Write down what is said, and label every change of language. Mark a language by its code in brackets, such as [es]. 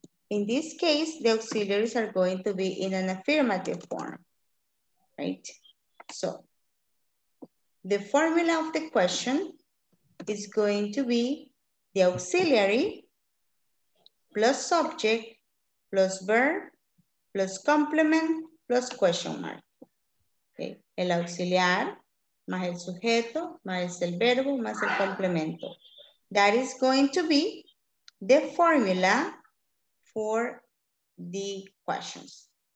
[en] In this case, the auxiliaries are going to be in an affirmative form, right? So the formula of the question is going to be the auxiliary plus subject plus verb plus complement plus question mark. Okay. [es] El auxiliar más el sujeto más el verbo más el complemento. [en] That is going to be the formula for the questions.